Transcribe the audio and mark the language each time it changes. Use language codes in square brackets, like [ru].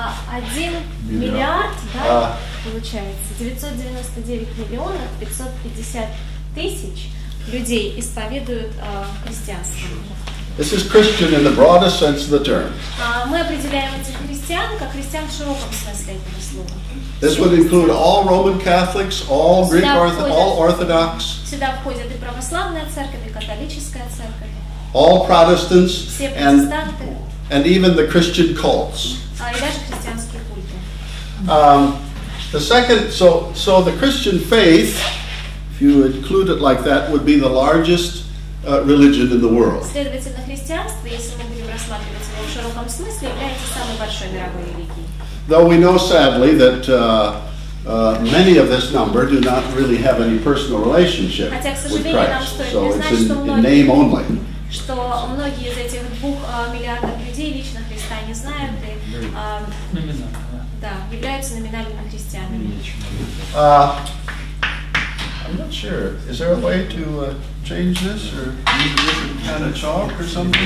[ru] Один миллиард, да, получается, 999,550,000 людей исповедуют христианство. [en] This is Christian in the broadest sense of the term. [ru] Мы определяем этих христиан как христиан в широком смысле этого слова. [en] This would include all Roman Catholics, all Greek Orthodox, all Orthodox. [ru] Сюда входят и православная церковь, и католическая церковь. [en] All Protestants and even the Christian cults. The second, so the Christian faith, if you include it like that, would be the largest religion in the world. [ru] Следовательно, христианство, если мы будем рассматривать его в широком смысле, является самой большой мировой религией. [en] Though we know sadly that many of this number do not really have any personal relationship with Christ, so it's in name only. [ru] Что многие из этих двух миллиардов людей лично Христа не знают и являются номинальными христианами. [en] I'm not sure. Is there a way to change this or use a different kind of chalk or something?